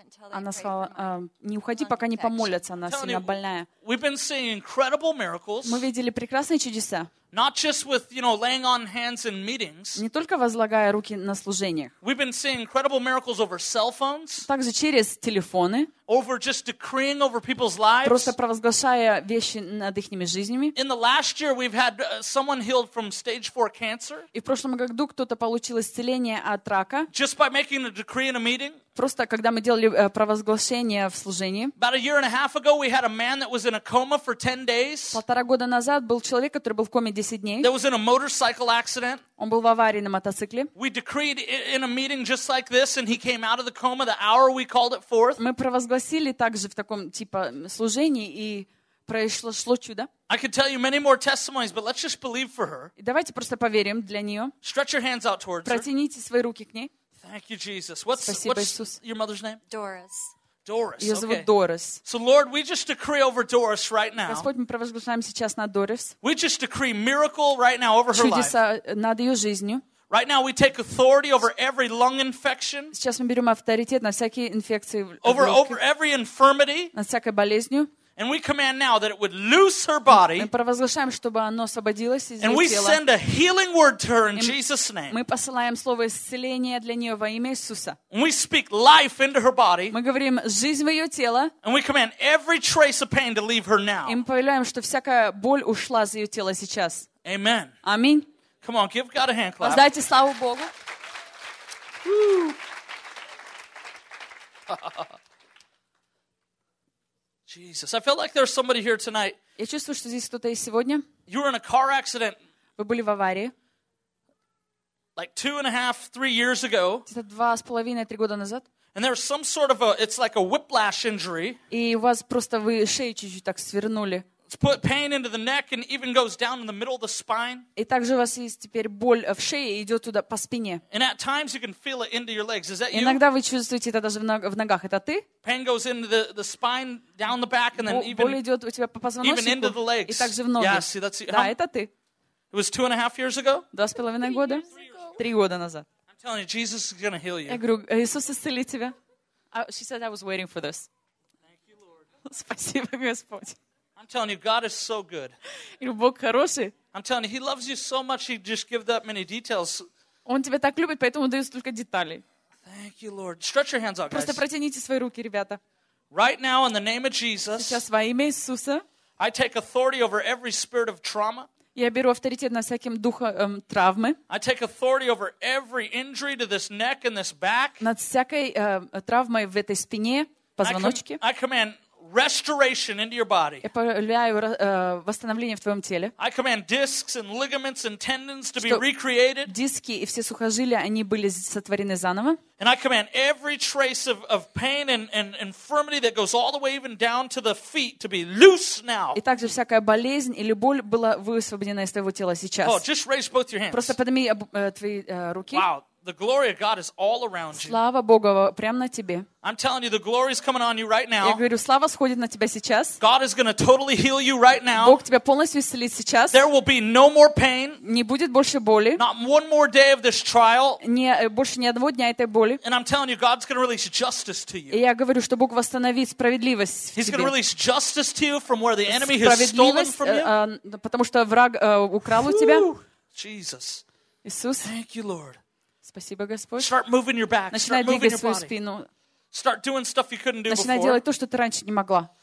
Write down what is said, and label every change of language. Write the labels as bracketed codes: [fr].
[ru] Она сказала, не уходи, пока не помолятся, она сильно больная. [en] We've been seeing incredible miracles. [ru] Мы видели прекрасные чудеса. [en] Not just with, you know, laying on hands in meetings. [ru] Не только возлагая руки на служениях. [en] We've been seeing incredible miracles over cell phones. [ru] Также через телефоны. [en] Over just decreeing over people's lives. [ru] Просто провозглашая вещи над их жизнями. [en] In the last year we've had someone healed from stage 4 cancer. [ru] И в прошлом году кто-то получил исцеление от рака. [en] Just by making a decree in a meeting. [ru] Просто когда мы делали провозглашение в служении. [en] About a year and a half ago we had a man that was in a coma for 10 days. [ru] Полтора года назад был человек, который был в коме 10 дней. [en] There was in a motorcycle accident. [ru] Он был в аварии на мотоцикле. [en] We decreed in a meeting just like this and he came out of the coma the hour we called it forth. [ru] Мы провозгласили также в таком типа служении и произошло чудо. [en] I could tell you many more testimonies, but let's just believe for her. [ru] Давайте просто поверим для неё. [en] Stretch your hands out towards her. [ru] Протяните свои руки к ней. [en] Thank you, Jesus. What's your mother's name? Doris. Doris. [ru] Её зовут Дорис. [en] So Lord, we just decree over Doris right now. [ru] Господь, мы провозглашаем сейчас над Дорис. [en] We just decree miracle right now over her life. [ru] Чудеса над её жизнью. [en] Right now we take authority over every lung infection. [ru] Сейчас мы берём авторитет на всякие инфекции. [en] Over every infirmity. [ru] На всякой болезнью. [en] And we command now that it would loose her body. [ru] Мы провозглашаем, чтобы оно освободилось из её тела. [en] And we send a healing word to her in Jesus' name. [ru] Мы посылаем слово исцеления для неё во имя Иисуса. [en] And we speak life into her body. [ru] Мы говорим жизнь в её тело. [en] And we command every trace of pain to leave her now. [ru] И мы повелеваем, что всякая боль ушла из её тела сейчас. [en] Amen. [ru] Аминь. [en] Come on, give God a hand clap. [ru] Воздайте славу Богу. [en] Jesus. I feel like there's somebody here tonight. [ru] Я чувствую, что здесь кто-то есть сегодня. [en] You were in a car accident. [ru] Вы были в аварии. [en] Like 2.5-3 years ago. [ru] Это 2.5-3 года назад. [en] And there's some sort of a, it's like a whiplash injury. [ru] И у вас просто вы шею чуть-чуть так свернули. [en] It's put pain into the neck and even goes down in the middle of the spine. [ru] И также у вас есть теперь боль в шее и идет туда по спине. [en] And at times you can feel it into your legs. Is that you? [ru] Иногда вы чувствуете это даже в ногах. Это ты? [en] Pain goes into the spine, down the back, and then even. [ru] Боль идет у тебя по позвоночнику. [en] Even into the legs. [ru] И также в ноги. [en] Yeah, see, that's you. [ru] Да, это ты. [en] It was 2.5 years ago. [ru] 2.5 года. 3 года назад. [en] I'm telling you, Jesus is going to heal you. [ru] Я говорю, Иисус исцелит тебя. [en] She said, I was waiting for this. Thank you, Lord. [ru] Спасибо, Господь. [en] I'm telling you, God is so good. [ru] Бог хороший. [en] I'm telling you, He loves you so much, He just gives that many details. [ru] Он тебя так любит, поэтому дает столько деталей. [en] Thank you, Lord. Stretch your hands out, [ru] просто [en] guys. [ru] Просто протяните свои руки, ребята. [en] Right now, in the name of Jesus. [ru] Сейчас во имя Иисуса. [en] I take authority over every spirit of trauma. [ru] Я беру авторитет на всяким духом травмы. [en] I take authority over every injury to this neck and this back. [ru] Над всякой травмой в этой спине, позвоночке. [en] I command. Restoration into your body. [ru] Я повелеваю восстановление в твоем теле. [en] I command discs and ligaments and tendons to be recreated. [ru] Диски и все сухожилия, они были сотворены заново. [en] And I command every trace of pain and infirmity that goes all the way even down to the feet to be loose now. [ru] И также всякая болезнь или боль была высвобождена из твоего тела сейчас. [en] Oh, just raise both your hands. [ru] Просто подними твои руки. [en] Wow. The glory of God is all around you. [ru] Слава Богу прямо на тебе. [en] I'm telling you, the glory is coming on you right now. [ru] Я говорю, слава сходит на тебя сейчас. [en] God is going to totally heal you right now. [ru] Бог тебя полностью исцелит сейчас. [en] There will be no more pain. [ru] Не будет больше боли. [en] Not one more day of this trial. [ru] Не больше ни одного дня этой боли. [en] And I'm telling you, God's going to release justice to you. [ru] И я говорю, что Бог восстановит справедливость в тебе. [en] He's going to release justice to you from where the enemy has stolen from you. [ru] Потому что враг украл у тебя. [en] Jesus. [ru] Иисус. [en] Thank you, Lord. [ru] Спасибо, Господь. [en] Start moving your back. [ru] Начинай [en] start [ru] двигать [en] moving [ru] свою [en] your body. [ru] Спину. [en] Start doing stuff you couldn't do [ru] Начинай [en] before. [ru] Делать то, что ты раньше не могла.